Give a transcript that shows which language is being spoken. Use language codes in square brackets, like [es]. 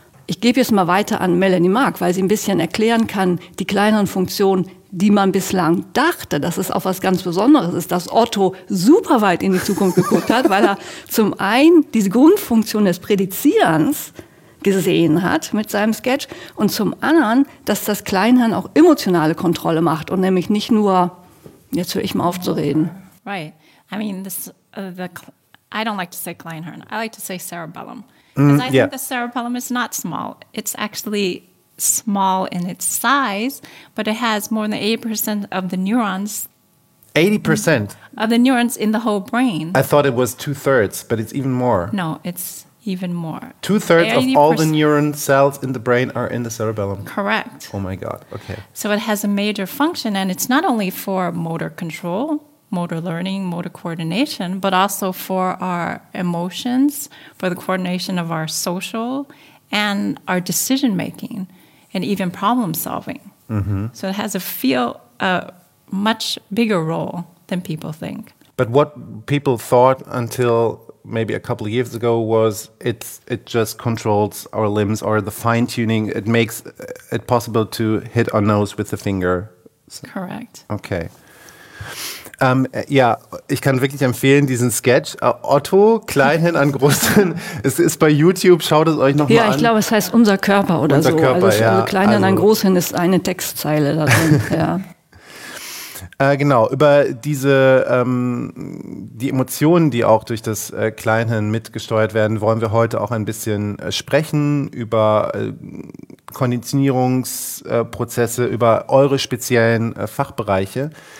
[de] Ich gebe jetzt mal weiter an Melanie Mark, weil sie ein bisschen erklären kann, die kleineren Funktionen, die man bislang dachte, dass es auch was ganz Besonderes ist, dass Otto super weit in die Zukunft geguckt hat, weil er zum einen diese Grundfunktion des Prädizierens gesehen hat mit seinem Sketch und zum anderen, dass das Kleinhirn auch emotionale Kontrolle macht und nämlich nicht nur, jetzt höre ich mal auf zu reden. [en] Right. I mean, I don't like to say Kleinhirn. I like to say cerebellum. Because I think the cerebellum is not small. It's actually small in its size, but it has more than 80% of the neurons. 80%? Of the neurons in the whole brain. I thought it was 2/3, but it's even more. No, it's even more. 2/3 of all the neuron cells in the brain are in the cerebellum. Correct. Oh my God, okay. So it has a major function, and it's not only for motor control, motor learning, motor coordination, but also for our emotions, for the coordination of our social and our decision making and even problem solving. Mm-hmm. So it has a much bigger role than people think. But what people thought until maybe a couple of years ago was it just controls our limbs or the fine tuning. It makes it possible to hit our nose with the finger. So, correct. Okay. [de] Ja, ich kann wirklich empfehlen, diesen Sketch. Otto, Kleinhin an Großhin, es ist bei YouTube, schaut es euch nochmal an. Ja, ich glaube, es heißt Unser Körper oder unser so. Unser Körper, also, ja. Kleinhin also, an Großhin ist eine Textzeile da drin, ja. Genau, über diese, die Emotionen, die auch durch das Kleinhirn mitgesteuert werden, wollen wir heute auch ein bisschen sprechen, über Konditionierungsprozesse, über eure speziellen Fachbereiche.